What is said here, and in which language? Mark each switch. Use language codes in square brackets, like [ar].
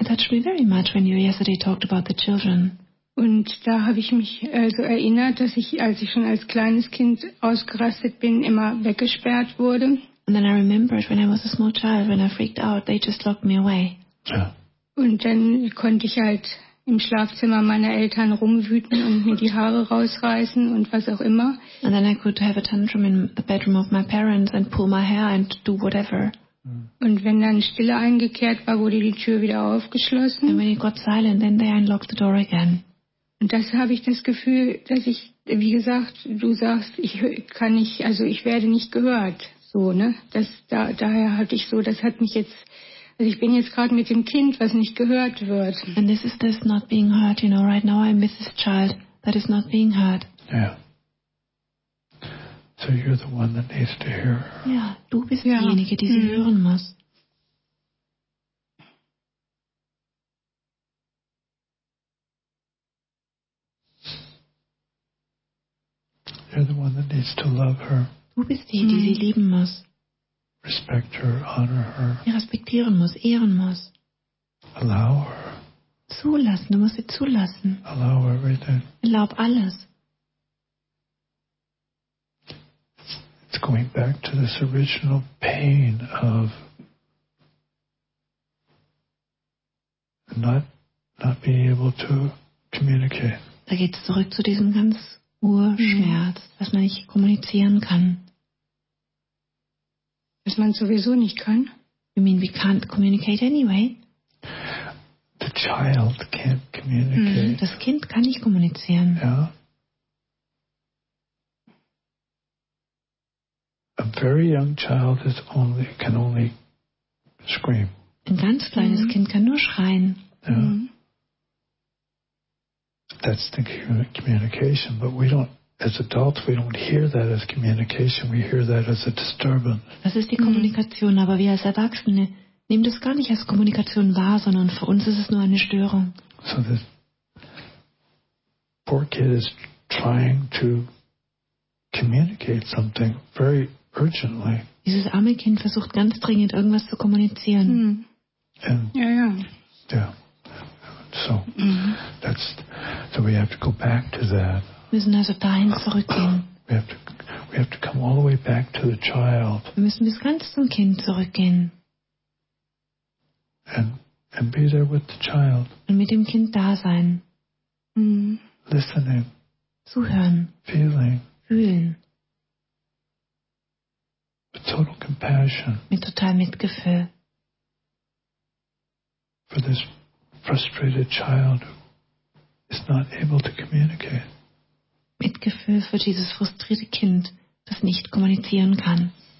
[en] It touched me very much when you yesterday talked about the children. [de] Und da habe ich mich so erinnert, dass ich, als ich schon als kleines Kind ausgerastet bin, immer weggesperrt wurde. [en] And then I remembered when I was a small child, when I freaked out, they just locked me away. Yeah. [de] Und dann konnte ich halt im Schlafzimmer meiner Eltern rumwüten und mir die Haare rausreißen und was auch immer. [en] And then I could have a tantrum in the bedroom of my parents and pull my hair and do whatever. [de] Und wenn dann Stille eingekehrt war, wurde die Tür wieder aufgeschlossen. [en] And when it got silent, then they unlocked the door again. [de] Und das habe ich das Gefühl, dass ich, wie gesagt, du sagst, ich kann nicht, also ich werde nicht gehört. So, ne? Das, da, daher hatte ich so, das hat mich jetzt, also ich bin jetzt gerade mit dem Kind, was nicht gehört wird. [en] And this is this not being heard, you know, right now I'm with this child that is not being heard. Yeah. So you're the one that needs to hear. [de] Ja, du bist diejenige, die sie hören muss. [en] You're the one that needs to love her. [de] Du bist die, die sie lieben muss. [en] Respect her, honor her. [de] Sie respektieren muss, ehren muss. [en] Allow her. [de] Zulassen, du musst sie zulassen. [en] Allow everything. [de] Erlaub alles. [en] It's going back to this original pain of not being able to communicate. [de] Da geht's zurück zu diesem ganz Urschmerz, dass man nicht kommunizieren kann. Dass man sowieso nicht kann. [en] You mean we can't communicate anyway? The child can't communicate. [de] Das Kind kann nicht kommunizieren. [en] Yeah. A very young child can only scream. [de] Ein ganz kleines Kind kann nur schreien. [en] Yeah. That's the communication, but we don't. As adults, we don't hear that as communication. We hear that as a disturbance. [de] Das ist die Kommunikation, aber wir als Erwachsene nehmen das gar nicht als Kommunikation wahr, sondern für uns ist es nur eine Störung. [en] So this poor kid is trying to communicate something very urgently. [de] Dieses arme Kind versucht ganz dringend irgendwas zu kommunizieren. [en] So that's so we have to go back to that. [de] Wir müssen also dahin zurückgehen. [en] We have to come all the way back to the child. [de] Wir müssen bis ganz zum Kind zurückgehen. [en] And be there with the child. [de] Und mit dem Kind da sein. [en] Listening. [de] Zuhören. [en] Feeling. [de] Fühlen. [en] With total compassion. [de] Mit total Mitgefühl. [en] For this frustrated child who is not able to communicate. [de] Mitgefühl für dieses frustrierte Kind, das nicht kommunizieren kann.